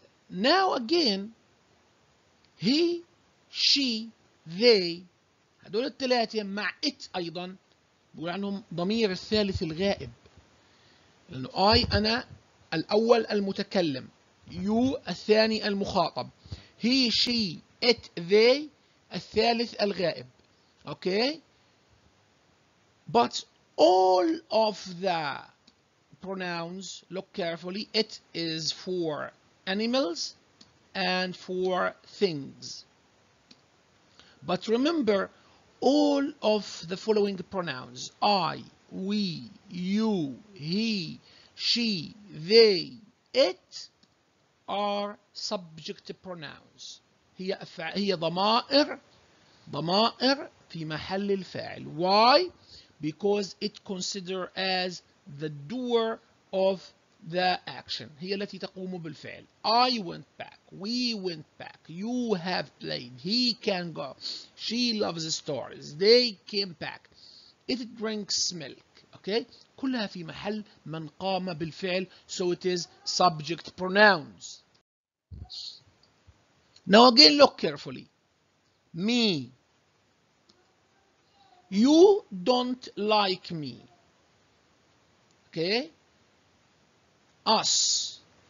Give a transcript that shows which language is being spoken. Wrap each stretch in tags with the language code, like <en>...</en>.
<en>Now again,</en> <ar>he, she, they, هدول الثلاثة مع it ايضا, بقول عنهم ضمير الثالث الغائب, لانه I انا الاول المتكلم, you الثاني المخاطب, he, she, it, they الثالث الغائب.</ar> <en>Okay, but all of the pronouns, look carefully, it is for animals and for things. But remember, all of the following pronouns, I, we, you, he, she, they, it, are subject pronouns.</en> <ar>هي ضمائر في محل الفاعل. Why?</ar> <en>Because it consider as the doer of the action.</en> <ar>هي التي تقوم بالفعل.</ar> <en>I went back. We went back. You have played. He can go. She loves stories. They came back. It drinks milk. Okay?</en> <ar>كلها في محل من قام بالفعل.</ar> <en>So it is subject pronouns. Now again, look carefully. Me. You don't like me. Okay? Us.</en>